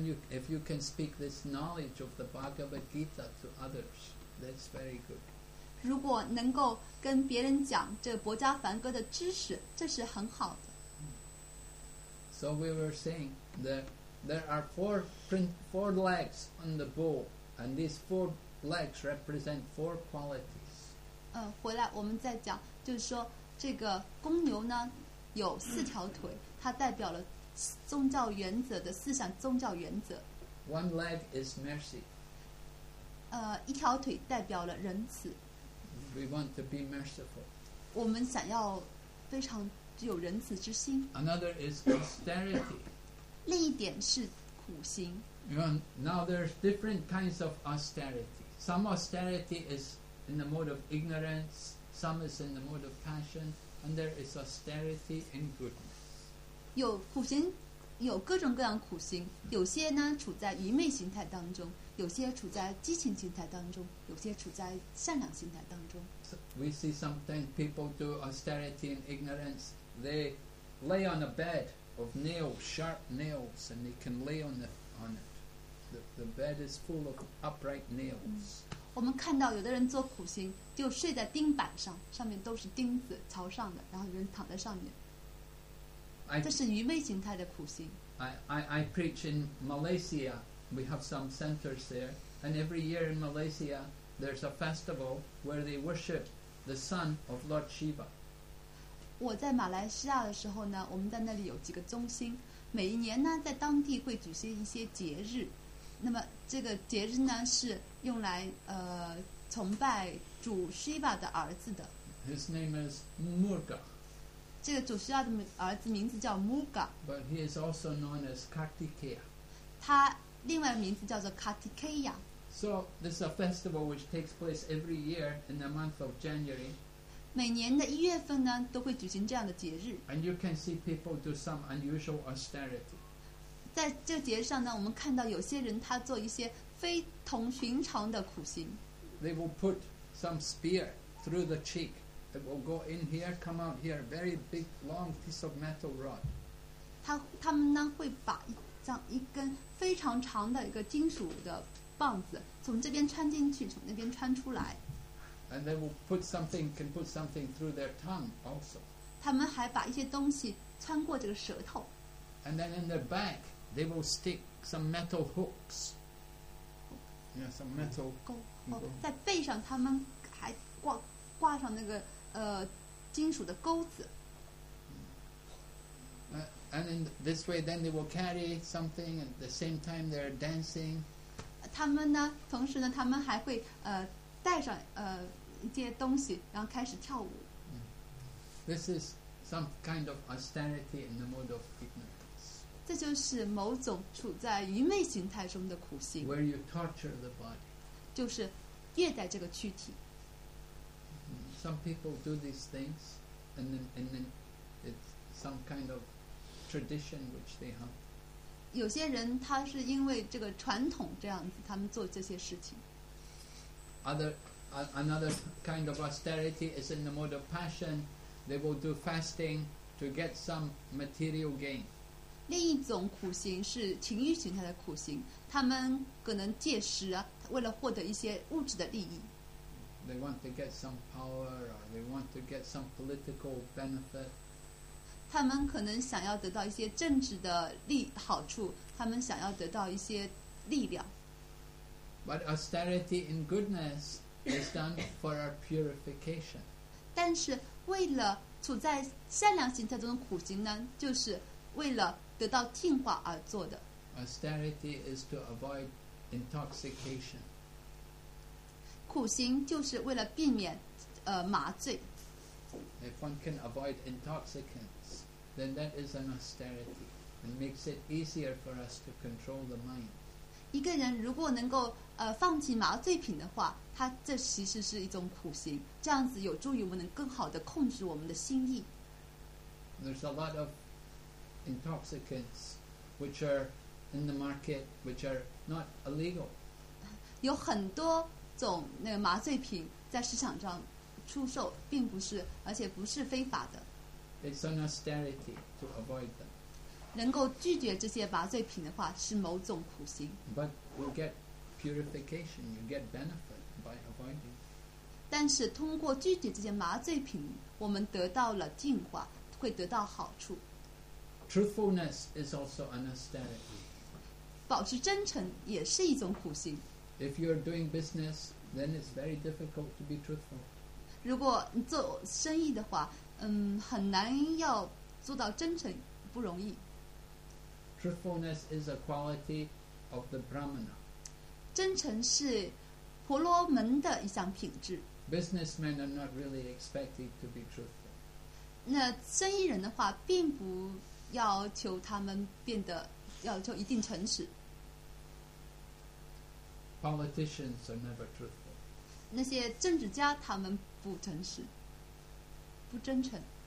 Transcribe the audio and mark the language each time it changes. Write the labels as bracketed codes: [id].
[en] If you can speak this knowledge of the Bhagavad Gita to others, that's very good. [zh] 如果能够跟别人讲这薄伽梵歌的知识，这是很好的。 [en] So we were saying that there are four legs on the bull, and these four legs represent four qualities. [zh] 回来我们再讲，就是说这个公牛呢有四条腿，它代表了。宗教原则的思想，宗教原则。 [en] One leg is mercy. [zh] 一条腿代表了仁慈。 [en] We want to be merciful. [zh] 我们想要非常有仁慈之心。 [en] Another is austerity. [zh] 另一点是苦行。 [en] Now there's different kinds of austerity. Some austerity is in the mode of ignorance, some is in the mode of passion, and there is austerity in goodness. [zh] 有苦行，有各种各样苦行。有些呢处在愚昧心态当中，有些处在激情心态当中，有些处在善良心态当中。 [en] So、we see sometimes people do austerity and ignorance. They lay on a bed of nails, sharp nails, and they can lay on it. The bed is full of upright nails.、 [zh] 我们看到有的人做苦行，就睡在钉板上，上面都是钉子朝上的，然后人躺在上面。这是愚昧形态的苦行。 [en] I preach in Malaysia. We have some centers there, and every year in Malaysia, there's a festival where they worship the son of Lord Shiva. [zh] 我在马来西亚的时候呢，我们在那里有几个中心，每一年呢在当地会举行一些节日，那么这个节日呢是用来崇拜主 Shiva 的儿子的。 [en] His name is Murga. [zh] 这个主 Shiva 的儿子名字叫 Murga. [en] But he is also known as Kartikeya. [zh] 他另外名字叫做 Kartikeya. [en] So this is a festival which takes place every year in the month of January. [zh] 每年的一月份呢都会举行这样的节日。 [en] And you can see people do some unusual austerity. [zh] 在这节日上呢，我们看到有些人他做一些非同寻常的苦行。 [en] They will put some spear through the cheek. It will go in here, come out here. Very big, long piece of metal rod. [zh] 他们呢会把一根非常长的一个金属的棒子从这边穿进去，从那边穿出来。 [en] And they will put something, can put something through their tongue also. [zh] 他们还把一些东西穿过这个舌头。 [en] And then in their back, they will stick some metal hooks. Yeah, some metal [zh] 钩。哦，在背上他们还挂上那个金属的钩子。 [en] And in this way, then they will carry something, and at the same time they're dancing. [zh] 他们呢，同时呢，他们还会带上一些东西，然后开始跳舞。 [en] This is some kind of austerity in the mode of ignorance. [zh] 这就是某种处在愚昧形态中的苦行。 [en] Where you torture the body. [zh] 就是虐待这个躯体。 [en] Some people do these things, and then it's some kind of tradition which they have. [zh] 有些人他是因为这个传统这样子，他们做这些事情。 [en] Another kind of austerity is in the mode of passion. They will do fasting to get some material gain. [zh] 另一种苦行是情欲形态的苦行，他们可能戒食啊，为了获得一些物质的利益。 [en] They want to get some power, or they want to get some political benefit. [zh] 他们可能想要得到一些政治的利好处，他们想要得到一些力量。 [en] But austerity in goodness is done for our purification. [zh] 但是为了处在善良形态中的苦行呢，就是为了得到净化而做的。 [en] Austerity is to avoid intoxication. [zh] 苦行就是为了避免麻醉。 [en] If one can avoid intoxicants, then that is an austerity and makes it easier for us to control the mind. [zh] 一个人如果能够放弃麻醉品的话，他这其实是一种苦行，这样子有助于我们能更好地控制我们的心意。 [en] There's a lot of intoxicants which are in the market which are not illegal. [zh] 有很多种那个麻醉品在市场上出售，并不是，而且不是非法的。 [en] It's an austerity to avoid them. [zh] 能够拒绝这些麻醉品的话，是某种苦行。 [en] But you get purification, you get benefit by avoiding. [zh] 但是通过拒绝这些麻醉品，我们得到了净化，会得到好处。 [en] Truthfulness is also an austerity. [zh] 保持真诚也是一种苦行。 [en] If you are doing business, then it's very difficult to be truthful. [zh] 如果你做生意的话，很难要做到真诚，不容易。 [en] Truthfulness is a quality of the Brahmana. [zh] 真诚是婆罗门的一项品质。 [en] Businessmen are not really expected to be truthful. [zh] 那生意人的话，并不要求他们变得要求一定诚实。 [en] Politicians are never truthful. [zh] 那些政治家他们不诚实，不真诚。